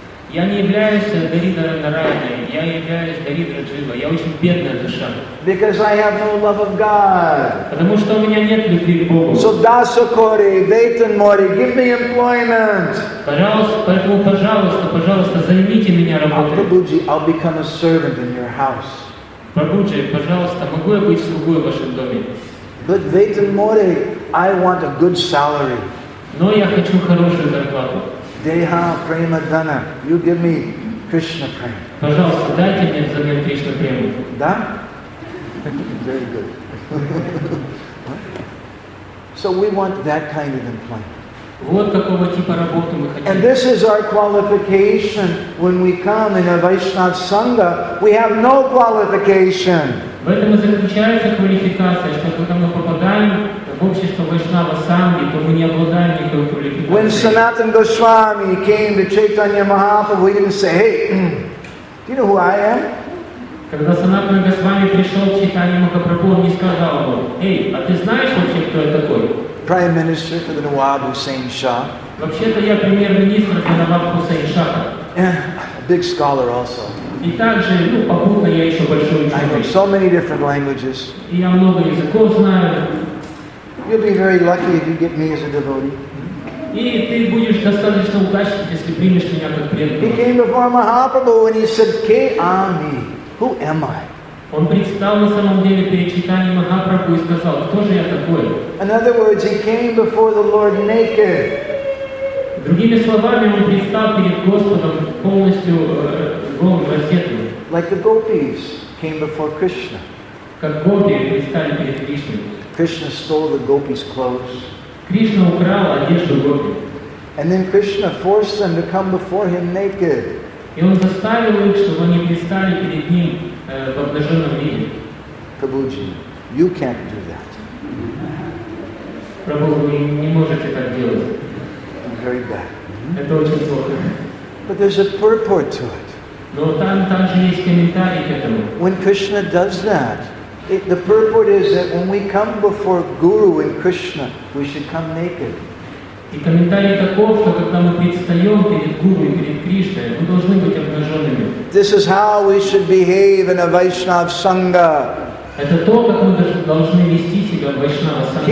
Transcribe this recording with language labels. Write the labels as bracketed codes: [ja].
[ru] Я не являюсь Дхридхарнараяной. Я являюсь Дхридхарджива. Я очень бедная душа. [en] Because I have no love of God. [ru] Потому что у меня нет любви к Богу. [en] So [bn] dasakori, vetan mori, [en] give me employment. [ru] Пожалуйста, поэтому, пожалуйста, пожалуйста, займите меня работой. [en] Prabhuji, I'll become a servant in your house. [ru] Прабхуджи, пожалуйста, могу я быть слугой в вашем доме? [en] But [bn] vetan mori, [en] I want a good salary. [ru] Но я хочу хорошую зарплату. [bn] Deha prema dana, [en] you give me Krishna prema. [ru] Пожалуйста, дайте мне взамен Кришна прему. [en] Да? Very good. So we want that kind of employment. [ru] Вот какого типа работы мы хотим. [en] And this is our qualification when we come in a Vaishnav sangha. We have no qualification. [ru] В этом и заключается квалификация, что когда мы попадаем в общество Вайшнава Санги, то мы не обладаем никакой квалификацией. [en] When Sanatana Goswami came to Chaitanya Mahaprabhu, we didn't say, hey, do you know who I am? [ru] Когда Sanatana Goswami пришел к Chaitanya Mahaprabhu, он не сказал ему, эй, а ты знаешь вообще, кто я такой? [en] Prime Minister for the Nawab Hussain Shah. [ru] Вообще-то я премьер-министр для Nawab Hussain Shah. [en] A big scholar also. [ru] И также, ну, попутно я еще большой ученый. [en] I know so many different languages. [ru] И я много языков знаю. [en] You'll be very lucky if you get me as a devotee. [ru] И ты будешь достаточно удачлив, если примешь меня как преданного. [en] He came before Mahaprabhu and he said, [bn] Ke ami? [en] Who am I? [ru] Он предстал на самом деле перед Чайтаньей Махапрабху и сказал, кто же я такой? [en] In other words, he came before the Lord naked. [ru] Другими словами, он предстал перед Господом полностью голым, раздетым. [en] Like the gopis came before Krishna. [ru] Как гопи предстали перед Кришной. [en] Krishna stole the gopis' clothes. [ru] Krishna украл одежду гопи. [en] And then Krishna forced them to come before him naked. [ru] И он заставил их, чтобы они предстали перед ним в обнаженном виде. [en] Prabhuji, you can't do that. [ru] Прабху, вы не можете так делать. [en] Very bad. [ru] Mm-hmm. Это очень плохо. [en] But there's a purport to it. [ru] Но там же есть комментарий к этому. [en] When Krishna does that, the purport is that when we come before Guru and Krishna, we should come naked. [ru] И комментарий таков, что когда мы предстаем перед Гуру и перед Кришной, мы должны быть обнаженными. [en] This is how we should behave in a Vaishnav Sangha. [ru] Это то, как мы должны вести себя в Вайшнава Сангхе.